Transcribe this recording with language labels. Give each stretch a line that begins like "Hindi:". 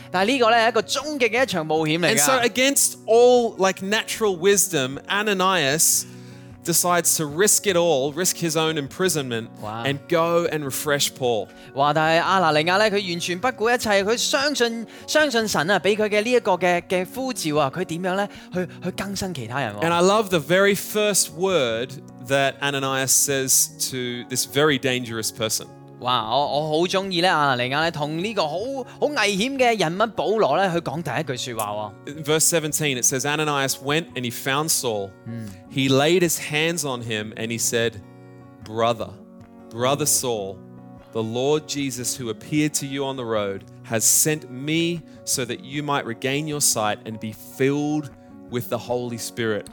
Cantonese: 但係呢個咧係一個終極嘅一場冒險嚟㗎。
English: And so against all like natural wisdom, Ananias. Decides to risk it all, risk his own imprisonment, and go and refresh Paul. 哇！
Cantonese: 但系亚拿尼亚咧，佢完全不顾一切，佢相信神啊，俾佢嘅呢一个嘅呼召啊，佢点样咧去更新其他人
English: ？And I love the very first word that Ananias says to this very dangerous person. 哇！
Cantonese: 我好中意咧，亚拿尼亚咧同呢个好危险嘅人物保罗咧去讲第一句说话。
English: Verse 17 it says Ananias went and he found Saul.He laid his hands on him and he said, Brother. Brother Saul, the Lord Jesus who appeared to you on the road has sent me so that you might regain your sight and be filled with the Holy Spirit.